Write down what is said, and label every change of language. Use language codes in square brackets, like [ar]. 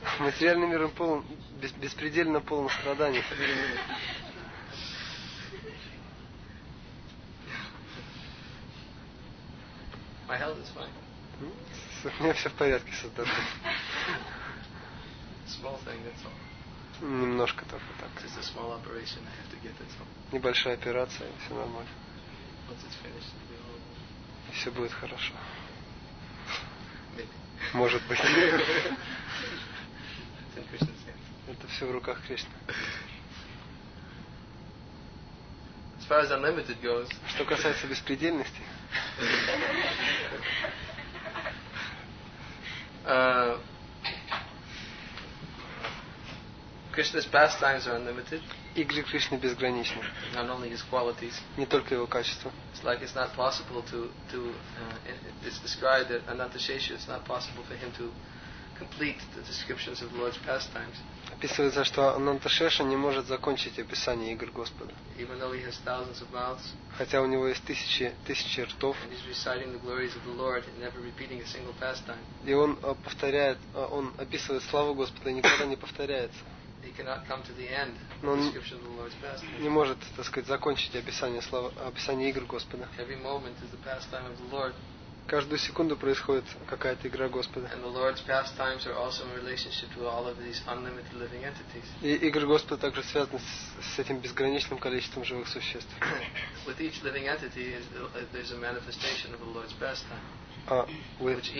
[ru] Материальный мир полон беспредельно полон страданий. [en] My health is fine. [ru] У меня все в порядке со здоровьем. [en] Small thing, that's all. [ru] Немножко только так. [en] It's a small operation, I have to get it all. [ru] Небольшая операция, все нормально. [en] Once it's finished, it'll be all good. [ru] И все будет хорошо. [en] Maybe. [ru] Может быть. [en] It's in Krishna's hands. [ru] Это все в руках Кришны. [en] As far as unlimited goes. [ru] Что касается беспредельности. [en] Krishna's pastimes are unlimited. [ru] Игры Кришны безграничны. [en] Not only his qualities. [ru] Не только его качества. [en] It's like it's not possible to describe that Anantasheshu. It's not possible for him to complete the descriptions of the Lord's pastimes. [ru] Описывается, что Анантасеша не может закончить описание игр Господа. [en] Even though he has thousands of mouths. [ru] Хотя у него есть тысячи ртов. [en] And he's reciting the glories of the Lord and never repeating a single pastime. [ru] И он повторяет, он описывает славу Господа и никогда не повторяется. [en] He cannot come to the end of the description of the Lord's pastime. [ru] Не может, так сказать, закончить описание игр Господа. [en] Every moment is the pastime of the Lord. [ru] Каждую секунду происходит какая-то игра Господа. [en] And the Lord's pastimes are also in relationship with all of these unlimited living entities. [ru] И игры Господа также связаны с этим безграничным количеством живых существ. [en] With each living entity, there's a manifestation of the Lord's pastime.